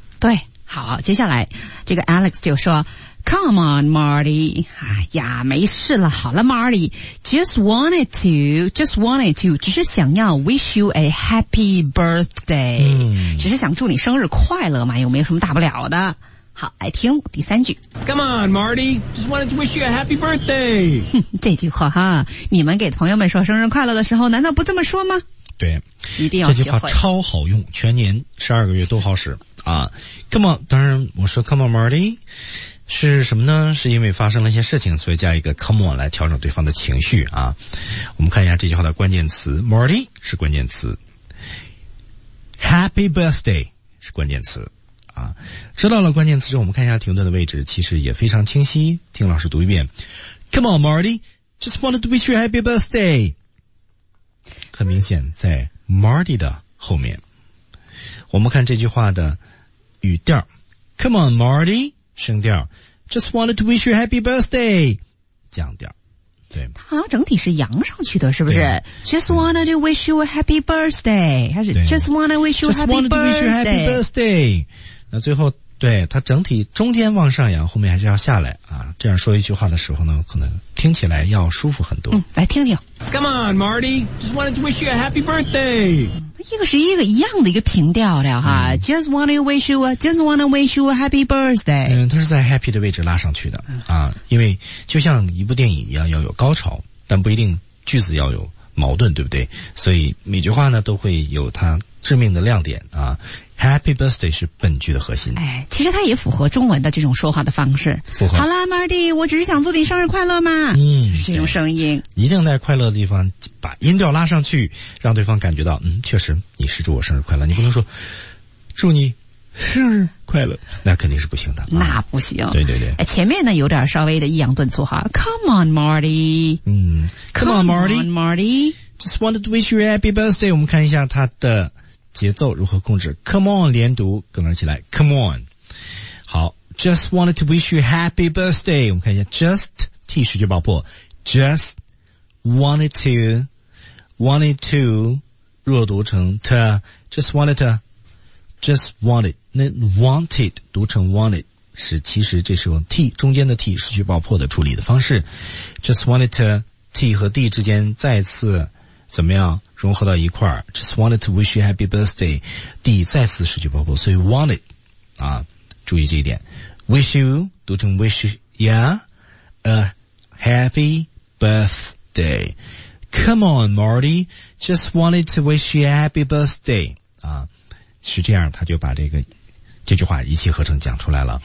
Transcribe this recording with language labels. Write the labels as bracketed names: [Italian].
[Chinese] 对，好，接下来这个 Alex 就说 [English] Come on Marty， [Chinese] 哎呀没事了，好了 Marty， [English] Just wanted to [Chinese] 只是想要 [English] wish you a happy birthday、 [Chinese] 只是想祝你生日快乐嘛，有没有什么大不了的。好，来听第三句。 [English] Come on, Marty. Just wanted to wish you a happy birthday. [Chinese] 这句话哈，你们给朋友们说生日快乐的时候，难道不这么说吗？对，一定要学会。这句话超好用，全年12个月都好使啊。 [English] Come on， [Chinese] 当然我说 [English] Come on, Marty。 [Chinese] 是什么呢？是因为发生了一些事情，所以加一个 [English] come on [Chinese] 来调整对方的情绪啊。我们看一下这句话的关键词 ，Marty 是关键词 ， [English] Happy birthday [Chinese] 是关键词啊。知道了关键词之后，我们看一下停顿的位置，其实也非常清晰。听老师读一遍 [English] ，Come on Marty， just wanted to wish you a happy birthday。 [Chinese] 很明显，在 Marty 的后面，我们看这句话的语调 ， [English] Come on Marty。 [Chinese] 升调 [English] ，Just wanted to wish you happy birthday。 [Chinese] 降调，对，它整体是扬上去的，是不是 [English] ？Just wanted to wish you a happy birthday， [Chinese] 还是 [English] Just wanted to wish you a happy birthday？ [Chinese] 那最后，对它整体中间往上扬，后面还是要下来啊。这样说一句话的时候呢，可能听起来要舒服很多。嗯，来听听。 [English] Come on, Marty. Just wanted to wish you a happy birthday。 [Chinese] 一个是一个一样的一个平调的哈、嗯、 [English] just wanna wish you a happy birthday。 [Chinese] 嗯，它是在 happy 的位置拉上去的啊，因为就像一部电影一样要有高潮，但不一定句子要有矛盾，对不对？所以每句话呢都会有它致命的亮点啊。 [English] Happy birthday [Chinese] 是本句的核心。哎，其实它也符合中文的这种说话的方式。符合。好啦 ， [English] Marty， [Chinese] 我只是想祝你生日快乐嘛。嗯，就是这种声音。一定在快乐的地方把音调拉上去，让对方感觉到，嗯，确实你是祝我生日快乐。你不能说祝你生日快乐，那肯定是不行的。那不行。啊、对对对。哎，前面呢有点稍微的抑扬顿挫哈。 [English] Come on, Marty。 [Chinese] 嗯。 [English] Come on, Marty。 Come on, Marty。 Just wanted to wish you a happy birthday。 [Chinese] 我们看一下他的。节奏如何控制 ？ [English] Come on， [Chinese] 连读跟着起来 ，Come on。好 ， [English] Just wanted to wish you happy birthday。 [Chinese] 我们看一下 ，Just T 是句爆破 ，Just wanted to 弱读成 to，Just wanted to，Just wanted 那 wanted 读成 wanted 是其实这时候 T 中间的 T 是句爆破的处理的方式 ，Just wanted to T 和 D 之间再次怎么样？融合到一块 [English] Just wanted to wish you happy birthday. [Chinese] D 再次失去爆破，所以 wanted 啊，注意这一点。 [English] Wish you [Chinese] 读成 [English] wish yeah a happy birthday. Come on, Marty. Just wanted to wish you happy birthday. [Chinese] 啊，是这样，他就把这句话一气呵成讲出来了。